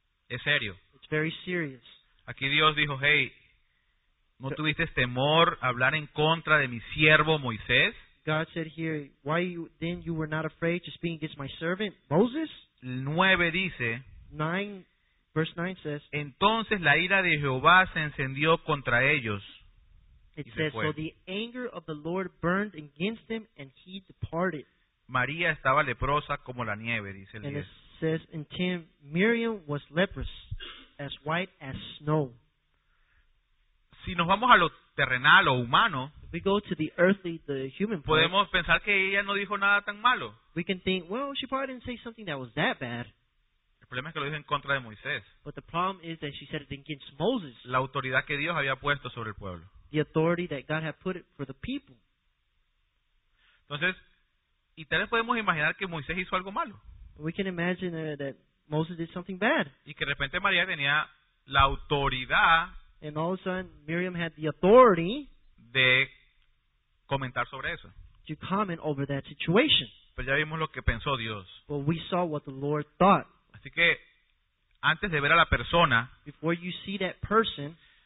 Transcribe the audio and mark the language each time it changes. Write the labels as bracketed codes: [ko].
[es] Es serio. [en] It's very serious. [es] Aquí Dios dijo, hey, ¿no tuviste temor hablar en contra de mi siervo Moisés? [en] God said here, why you, then you were not afraid to speak against my servant Moses? [es] 9 dice, [en] verse 9 says, [es] entonces la ira de Jehová se encendió contra ellos. [en] It says, so the anger of the Lord burned against him and he departed. [es] María estaba leprosa como la nieve, dice el 10. [en] And it says in 10, Miriam was leprous, as white as snow. [es] Si nos vamos a lo terrenal o humano, [en] we go to the earthly, the human part, [es] podemos pensar que ella no dijo nada tan malo. [en] We can think, well, she probably didn't say something that was that bad. [es] El problema es que lo dijo en contra de Moisés. [en] But the problem is that she said it against Moses. [es] La autoridad que Dios había puesto sobre el pueblo. [en] The authority that God had put it for the people. [es] Entonces, y tal vez podemos imaginar que Moisés hizo algo malo. [en] We can imagine that Moses did something bad. [es] Y que de repente María tenía la autoridad. [en] And all of a sudden, Miriam had the authority [es] de comentar sobre eso. [en] To comment over that situation. [es] Pero ya vimos lo que pensó Dios. [en] But we saw what the Lord thought. [es] Así que, antes de ver a la persona, [en] before you see that person,